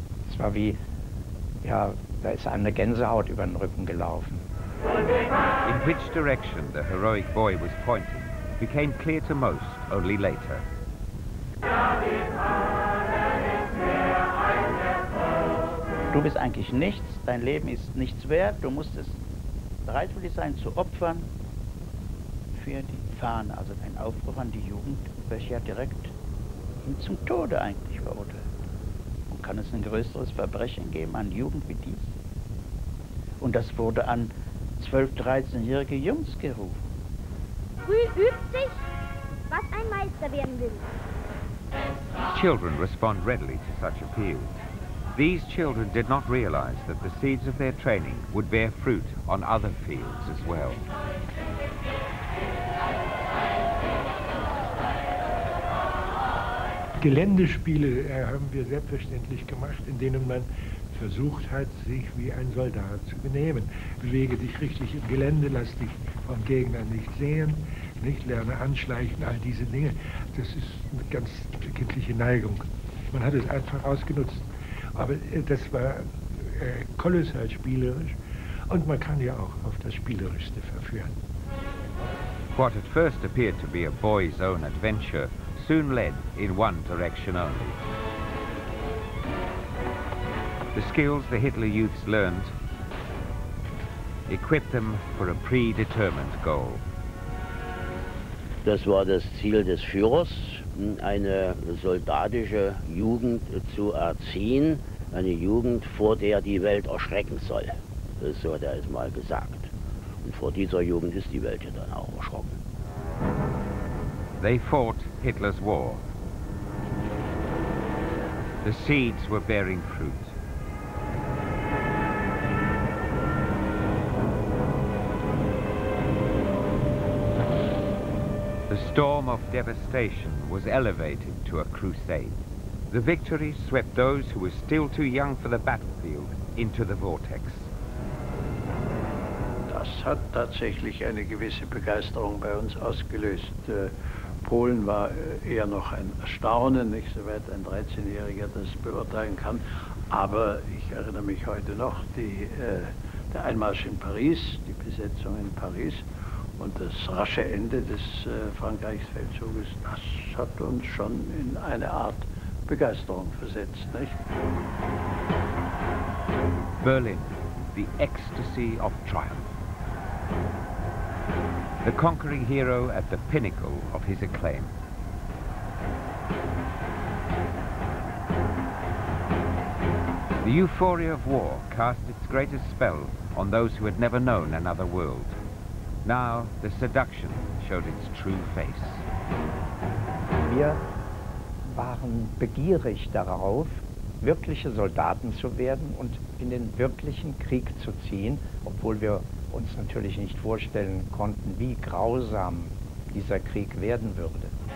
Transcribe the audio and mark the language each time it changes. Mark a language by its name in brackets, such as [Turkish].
[German] Es war wie, ja, da ist eine Gänsehaut über den Rücken gelaufen. [English] In which direction the heroic boy was pointing became clear to most only later. [German] Du bist eigentlich nichts, dein Leben ist nichts wert, du musst es bereitwillig sein zu opfern für die. Also ein Aufruf an die Jugend, welcher ja direkt ihn zum Tode eigentlich verurteilt. Und kann es ein größeres Verbrechen geben an Jugend wie dies? Und das wurde an 12-, 13-jährige Jungs gerufen. Früh übt sich, was ein Meister werden will. [English] Children respond readily to such appeals. These children did not realize that the seeds of their training would bear fruit on other fields as well. [German] Geländespiele haben wir selbstverständlich gemacht, in denen man versucht hat, sich wie ein Soldat zu benehmen. Bewege dich richtig im Gelände, lass dich vom Gegner nicht sehen, nicht lerne anschleichen, all diese Dinge. Das ist eine ganz kindliche Neigung. Man hat es einfach ausgenutzt. Aber das war kolossal spielerisch und man kann ja auch auf das Spielerischste verführen. [English] What at first appeared to be a boy's own adventure soon led in one direction only. The skills the Hitler youths learned equipped them for a predetermined goal. [German] Das war das Ziel des Führers, eine soldatische Jugend zu erziehen, eine Jugend, vor der die Welt erschrecken soll. So hat er es mal gesagt. Und vor dieser Jugend ist die Welt ja dann auch erschrocken. [English] They fought Hitler's war. The seeds were bearing fruit. The storm of devastation was elevated to a crusade. The victory swept those who were still too young for the battlefield into the vortex. [German] Das hat tatsächlich eine gewisse Begeisterung bei uns ausgelöst. Polen war eher noch ein Erstaunen, nicht soweit ein 13-Jähriger das beurteilen kann. Aber ich erinnere mich heute noch, der Einmarsch in Paris, die Besetzung in Paris und das rasche Ende des Frankreichsfeldzuges, das hat uns schon in eine Art Begeisterung versetzt. Nicht? [English] Berlin, the ecstasy of triumph. The conquering hero at the pinnacle of his acclaim. The euphoria of war cast its greatest spell on those who had never known another world. Now the seduction showed its true face. [German] Wir waren begierig darauf, wirkliche Soldaten zu werden und in den wirklichen Krieg zu ziehen, obwohl wir uns natürlich nicht vorstellen konnten, wie grausam dieser Krieg werden würde.